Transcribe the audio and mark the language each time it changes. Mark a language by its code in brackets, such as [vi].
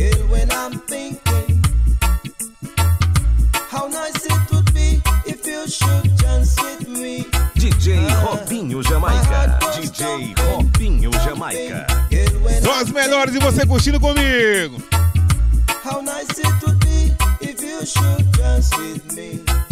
[en] When I'm thinking, how nice it would be if you should dance with me. DJ Robinho Jamaica. DJ Robinho Jamaica. [pt] Só as melhores e você curtindo comigo. [en] How nice it would be if you should dance with me.